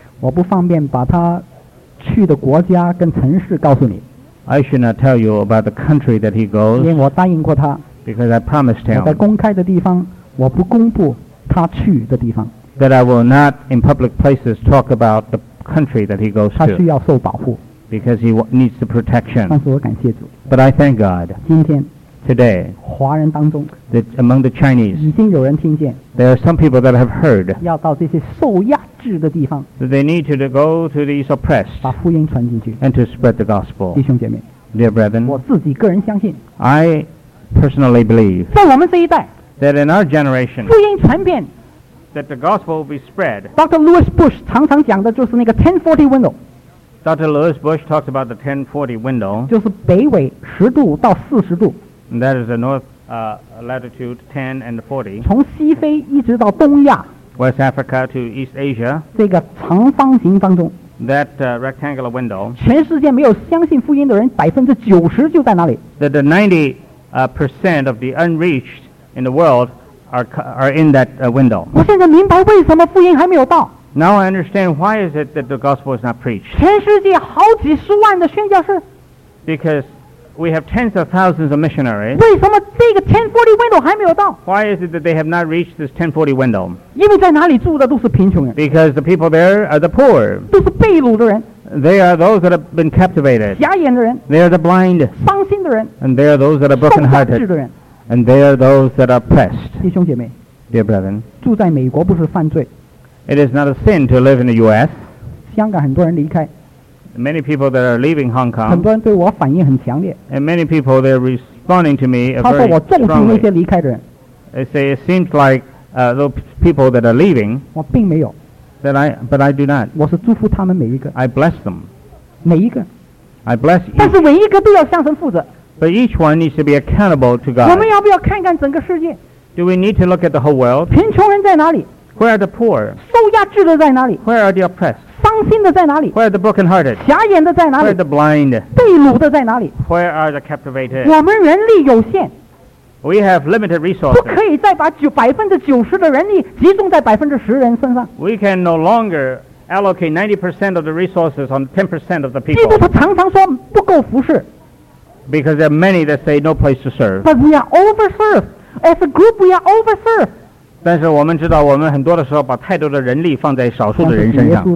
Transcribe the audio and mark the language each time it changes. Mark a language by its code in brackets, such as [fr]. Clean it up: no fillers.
[zh] 我不方便把他去的国家跟城市告诉你。 [en] I should not tell you about the country that he goes. [zh] 因为我答应过他。 [en] Because I promised him. [zh] 我在公开的地方，我不公布他去的地方。 [en] That I will not in public places talk about the country that he goes to. [zh] 他需要受保护。 [en] Because he needs the protection. [zh] 但是我感谢主。 [en] But I thank God. [zh] 今天。 [en] Today. [zh] 华人当中。 [en] That among the Chinese. [zh] 已经有人听见。 [en] There are some people that have heard. [zh] 要到这些受压制的地方。 [en] That they need to go to these oppressed. [zh] 把福音传进去。 [en] And to spread the gospel. [zh] 弟兄姐妹。 [en] Dear brethren. [zh] 我自己个人相信。 [en] I personally believe. [zh] 在我们这一代。 [en] That in our generation. [zh] 福音传遍。 [en] That the gospel will be spread. Dr. [zh] Louis Bush 常常讲的就是那个1040 window. [en] Dr. Louis Bush talks about the 1040 window. [zh] 就是北纬十度到四十度。 [en] And that is the north latitude 10 and 40. [zh] 从西非一直到东亚。 [en] West Africa to East Asia. [zh] 这个长方形当中。 [en] That rectangular window. [zh] 全世界没有相信福音的人90%就在那里。 [en] That the 90% of the unreached in the world are in that window. [zh] 我现在明白为什么福音还没有到。 [en] Now I understand why is it that the gospel is not preached. [zh] 全世界好几十万的宣教士。 [en] Because we have tens of thousands of missionaries. [zh] 为什么这个1040 window 还没有到? [en] Why is it that they have not reached this 1040 window? [zh] 因为在哪里住的都是贫穷人。 [en] Because the people there are the poor. [zh] 都是被掳的人。 [en] They are those that have been captivated. [zh] 瞎眼的人。 [en] They are the blind. [zh] 伤心的人。 [en] And they are those that are brokenhearted. [zh] 受压制的人。 [en] And they are those that are oppressed. [zh] 弟兄姐妹。 [en] Dear brethren. [zh] 住在美国不是犯罪。 [en] It is not a sin to live in the U.S. [zh] 香港很多人离开。 [en] Many people that are leaving Hong Kong. [zh] 很多人对我反应很强烈。 [en] And many people they're responding to me very strongly. [zh] 他说我重视那些离开的人。 [en] They say it seems like those people that are leaving. [zh] 我并没有。 [en] But I do not. [zh] 我是祝福他们每一个。 [en] I bless them. [zh] 每一个。 [en] I bless each. [zh] 但是每一个都要向神负责。 [en] But each one needs to be accountable to God. [zh] 我们要不要看看整个世界？ [en] Do we need to look at the whole world? [zh] 贫穷人在哪里？ [en] Where are the poor? [zh] 受压制的在哪里? [en] Where are the oppressed? [zh] 伤心的在哪里? [en] Where are the brokenhearted? [zh] 瞎眼的在哪里? [en] Where are the blind? [zh] 被掳的在哪里? [en] Where are the captivated? [zh] 我们人力有限。 [en] We have limited resources. [zh] 不可以再把90%的人力集中在10%人身上。 [en] We can no longer allocate 90% of the resources on 10% of the people. [zh] 基督徒常常说不够服侍。 [en] Because there are many that say no place to serve. But we are overserved. As a group, we are overserved. [zh] 但是我们知道我们很多的时候把太多的人力放在少数的人身上。